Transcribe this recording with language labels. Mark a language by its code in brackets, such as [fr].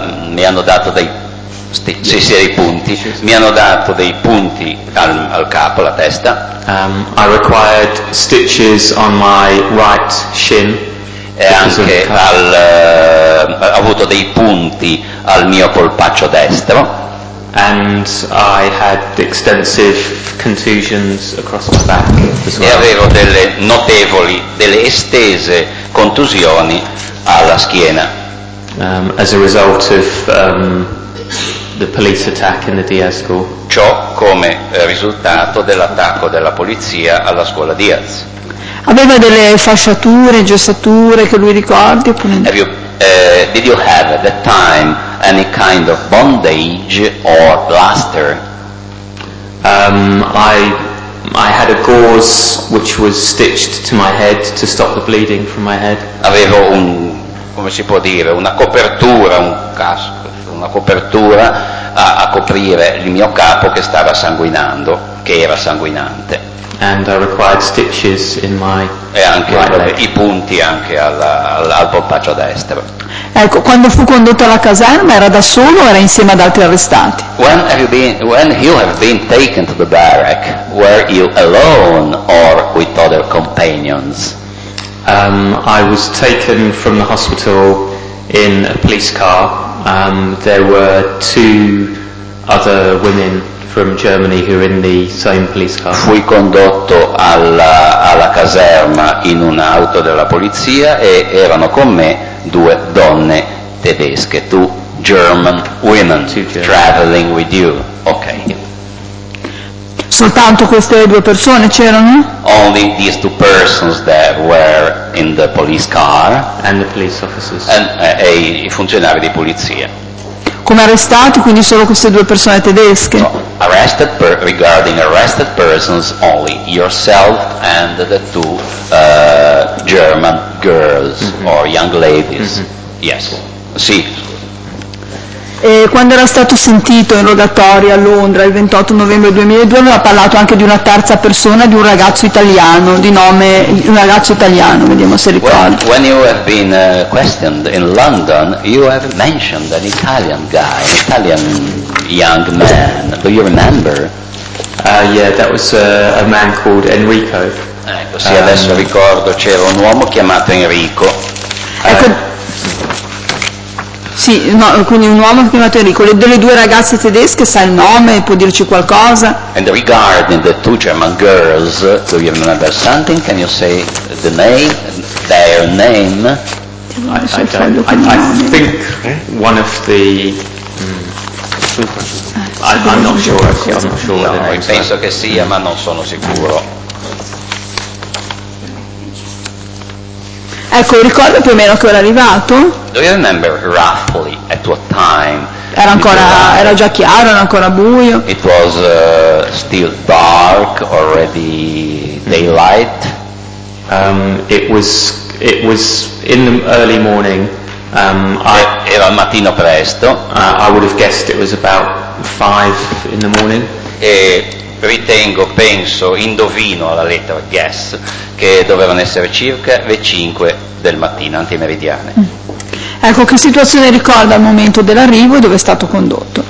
[it] Mi hanno dato dei stitches, sì, dei punti. Mi hanno dato dei punti al capo, alla testa. [en] I required stitches on my right shin. [it] E anche ho avuto dei punti al mio polpaccio destro. [en] And I had extensive contusions across my back as well. [it] E avevo delle notevoli, delle estese contusioni alla schiena. [en] As a result of the police attack in the Diaz school. [it] Ciò come risultato dell'attacco della polizia alla scuola Diaz. Aveva delle fasciature, gessature che lui ricordi? [en] Did you have at that time any kind of bondage or plaster? I had a gauze which was stitched to my head to stop the bleeding from my head. [it] Avevo un, come si può dire, una copertura, un casco. una copertura a coprire il mio capo che stava sanguinando, che era sanguinante. [en] And I required stitches in my [it] e anche [en] right leg. [it] I punti anche al polpaccio destro. Ecco, quando fu condotto alla caserma era da solo o era insieme ad altri arrestati? [en] When you have been taken to the barrack, were you alone or with other companions? I was taken from the hospital in a police car. There were two other women from Germany who were in the same police car. [it] Fui condotto alla caserma in un'auto della polizia e erano con me due donne tedesche, [en] two German women traveling with you. Okay. [it] Soltanto queste due persone c'erano? [en] Only these two persons that were in the police car. And the police officers. [it] E i funzionari di polizia. Come arrestati, quindi solo queste due persone tedesche? No. [en] Arrested regarding arrested persons, only yourself and the two German girls or young ladies. Mm-hmm. Yes. Sì. [it] E quando era stato sentito in rogatorio a Londra il 28 novembre 2002 aveva parlato anche di una terza persona, di un ragazzo italiano, di nome un ragazzo italiano, vediamo se ricordo. [en] When you have been questioned in London, you have mentioned an Italian guy, an Italian young man. Do you remember? Yeah, that was a man called Enrico. [it] Ecco, sì, adesso ricordo, c'era un uomo chiamato Enrico. Ecco. Sì, no, quindi un uomo chiamato Enrico. Le delle due ragazze tedesche, sa il nome, può dirci qualcosa? [en] And regarding the two German girls, do you remember something? Can you say the name, their name? I'm not sure. [it] Penso che sia, ma non sono sicuro. Ecco, ricorda più o meno che ora è arrivato? [en] Do you remember roughly at what time? [it] Era ancora, era già chiaro, era ancora buio. [en] It was still dark, already daylight. It was in the early morning. [it] Era al mattino presto. [en] I would have guessed it was about 5 in the morning. [it] E ritengo, penso, indovino alla lettera guess che dovevano essere circa le 5 del mattino, antimeridiane. Ecco, che situazione ricorda al momento dell'arrivo e dove è stato condotto?